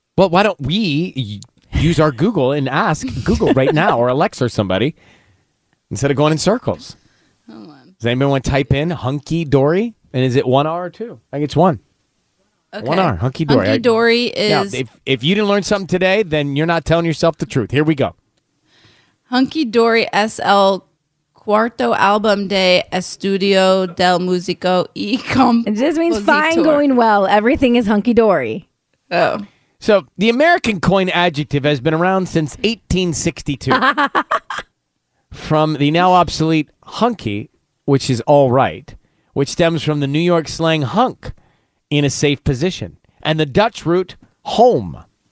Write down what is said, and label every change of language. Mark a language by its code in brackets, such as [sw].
[en] Well, why don't we use our Google and ask Google right now or Alexa or somebody instead of going in circles? Hold on. Does anyone want to type in hunky dory? And is it one R or two? I think it's one. Okay. One R, hunky dory. Hunky dory is... Now, if you didn't learn something today, then you're not telling yourself the truth. Here we go. [es] Hunky dory es el cuarto álbum de estudio del músico y compositor. [en] It just means fine, going well. Everything is hunky dory. Oh. So the American coin adjective has been around since 1862. From the now obsolete hunky, which is all right, which stems from the New York slang hunk, in a safe position, and the Dutch root home.